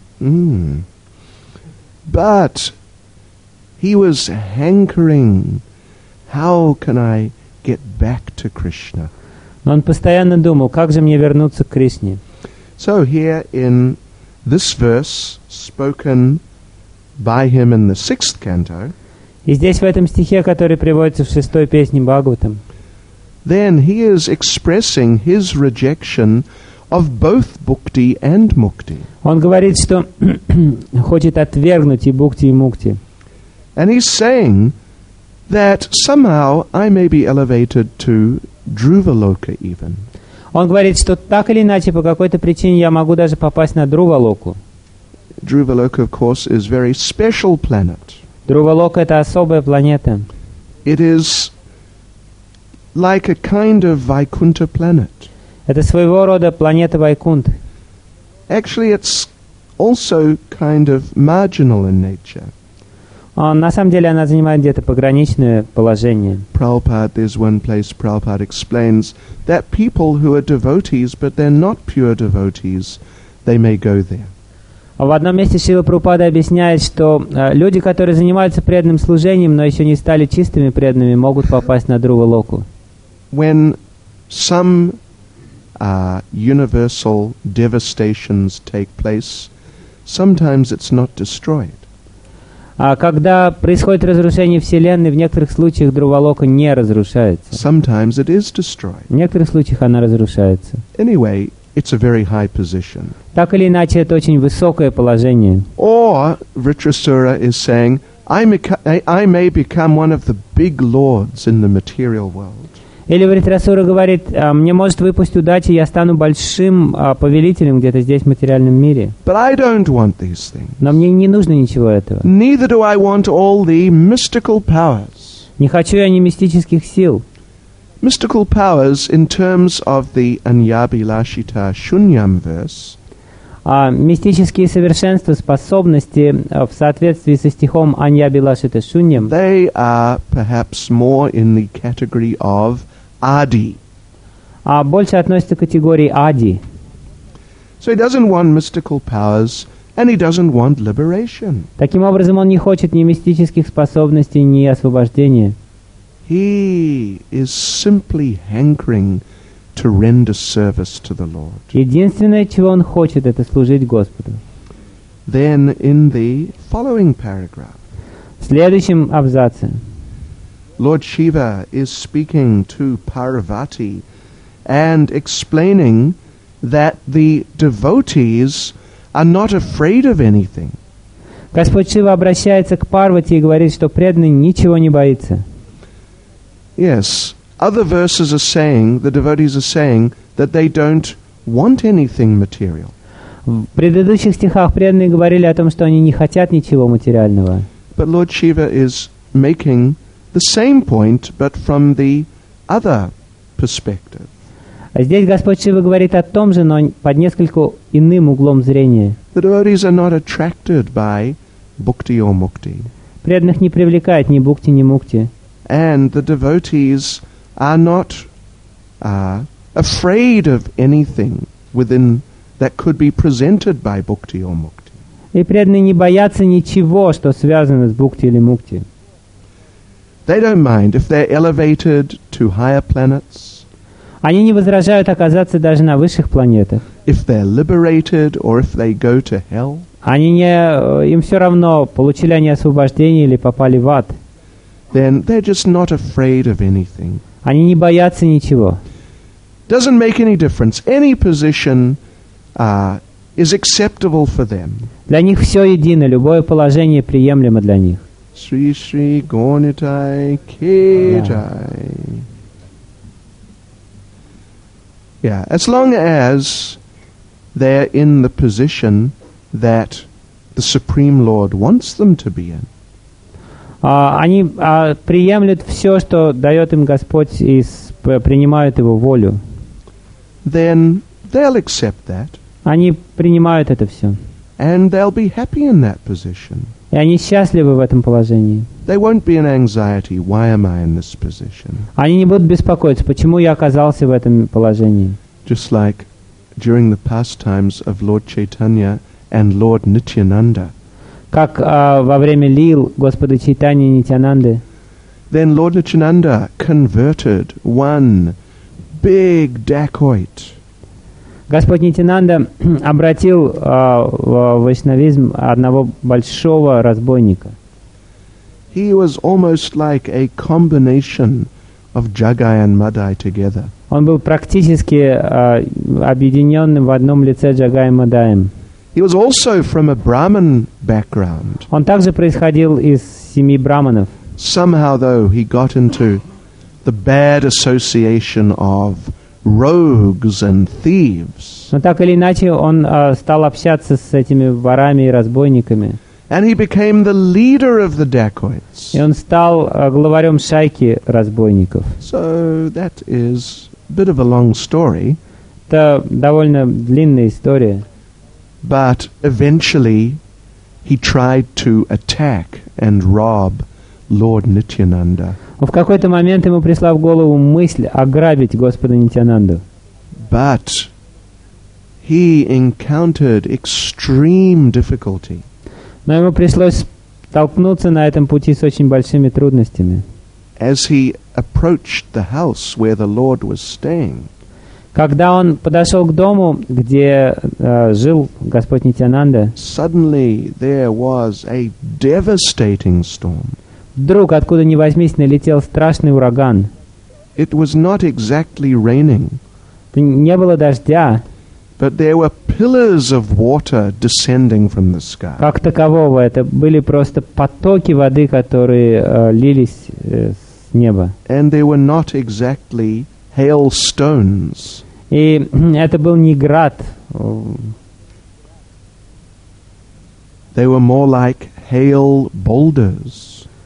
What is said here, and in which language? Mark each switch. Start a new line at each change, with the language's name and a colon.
English: But he was hankering. How can I get back to Krishna?
Russian: Но он постоянно думал, как же мне вернуться к Кришне?
English: So here in this verse spoken by him in the sixth canto.
Russian: И здесь в этом стихе, который приводится в шестой песне Бхагаватам.
English: Then he is expressing his rejection of both bhakti and mukti.
Russian: Он говорит, что хочет отвергнуть и бхакти, и мукти.
English: And he's saying that somehow I may be elevated to Dhruvaloka even.
Russian: Он говорит, что так или иначе, по какой-то причине, я могу даже попасть на Друвалоку.
English: Druvaloka, of course, is very special planet.
Russian: Друвалока – это особая планета.
English: It is like a kind of Vaikuntha planet.
Russian: Это своего рода планета Вайкунта.
English: Actually, it's also kind of marginal in nature.
Russian: На самом деле она занимает где-то пограничное положение.
English: Prabhupada, there's one place Prabhupada explains that people who are devotees, but they're not pure devotees, they may go there.
Russian: В одном месте Шрила Прабхупада объясняет, что люди, которые занимаются преданным служением, но еще не стали чистыми преданными, могут попасть на Друва Локу.
English: When some universal devastations take place, sometimes it's not destroyed.
Russian: А когда происходит разрушение Вселенной, в некоторых случаях Друва-лока не разрушается.
English: Sometimes it is destroyed.
Russian: В некоторых случаях она разрушается.
English: Anyway, it's a very high position.
Russian: Так или иначе, это очень высокое положение.
English: Or, Vritrasura is saying, I may become one of the big lords in the material world.
Russian: Или Вритрасура говорит, мне может выпасть удача, я стану большим повелителем где-то здесь, в материальном мире.
English: But I don't want these things.
Russian: Но мне не нужно ничего этого.
English: Neither do I want all the mystical powers.
Russian: Не хочу я ни мистических сил.
English: Mystical powers in terms of the Anyabhilashita Shunyam verse.
Russian: Мистические совершенства, способности в соответствии со стихом Anyabhilashita Shunyam.
English: They are perhaps more in the category of Adi.
Russian: А больше относится к категории Ади.
English: So he doesn't want mystical powers, and he doesn't want liberation.
Russian: Таким образом, он не хочет ни мистических способностей, ни освобождения.
English: He is simply hankering to render service to the Lord.
Russian: Единственное, чего он хочет, это служить Господу.
English: Then in the following paragraph.
Russian: В следующем абзаце.
English: Lord Shiva is speaking to Parvati and explaining that the devotees are not afraid of anything.
Russian: Господь Шива обращается к Парвати и говорит, что преданный ничего не боится.
English: Yes, other verses are saying, the devotees are saying that they don't want anything material.
Russian: В предыдущих стихах преданные говорили о том, что они не хотят ничего материального.
English: But Lord Shiva is making the same point, but from the other perspective.
Russian: Здесь Господь Шива говорит о том же, но под несколько иным углом зрения.
English: The devotees are not attracted by bhukti or mukti.
Russian: Преданных не привлекает ни бхукти, ни мукти.
English: And the devotees are not afraid of anything within that could be presented by bhukti or mukti.
Russian: И преданные не боятся ничего, что связано с бхукти или мукти.
English: They don't mind if they're elevated to higher planets.
Russian: Они не возражают оказаться даже на высших планетах.
English: If they're liberated or if they go to hell.
Russian: Они не, им все равно, получили они освобождение или попали в ад.
English: Then they're just not afraid of anything.
Russian: Они не боятся ничего.
English: Doesn't make any difference. Any position is acceptable for them.
Russian: Для них все едино, любое положение приемлемо для них. Sri Sri Gornitai Ketai.
English: Yeah, as long as they're in the position that the Supreme Lord wants them to be in.
Russian: Они приемлют все, что дает им Господь, и принимают Его волю.
English: Then they'll accept that.
Russian: Они принимают это все.
English: And they'll be happy in that position.
Russian: И они счастливы в этом положении.
English: They won't be in anxiety. Why am I in this position?
Russian: Они не будут беспокоиться, почему я оказался в этом положении.
English: Just like during the pastimes of Lord Chaitanya and Lord Nityananda.
Russian: Как во время лил Господа Чайтаньи и Нитьянанды.
English: Then Lord Nityananda converted one big dacoit.
Russian: Господь Нитьянанда обратил в вайшнавизм одного большого разбойника.
English: He was almost like a combination of Jagai and Madai together.
Russian: Он был практически объединенным в одном лице Джагаем и Мадаем.
English: He was also from a Brahmin background.
Russian: Он также происходил из семьи Брахманов.
English: Somehow, though, he got into the bad association of rogues and thieves.
Russian: Но так или иначе, он стал общаться с этими ворами и разбойниками.
English: And he became the leader of the dacoits.
Russian: И он стал главарем шайки разбойников.
English: So that is a bit of a long story.
Russian: Это довольно длинная история.
English: But eventually he tried to attack and rob Lord Nityananda.
Russian: В какой-то момент ему пришла в голову мысль ограбить Господа Нитьянанду.
English: But he encountered extreme difficulty.
Russian: Но ему пришлось столкнуться на этом пути с очень большими трудностями.
English: As he approached the house where the Lord was staying.
Russian: Когда он подошел к дому, где жил Господь Нитьянанда,
English: suddenly there was a devastating storm.
Russian: Вдруг, откуда ни возьмись, налетел страшный ураган.
English: It was not exactly raining.
Russian: Это не было дождя.
English: But there were pillars of water descending from the sky.
Russian: Как такового, это были просто потоки воды, которые лились с неба.
English: And they were not exactly hailstones.
Russian: И это был не град.
English: They were more like hail boulders.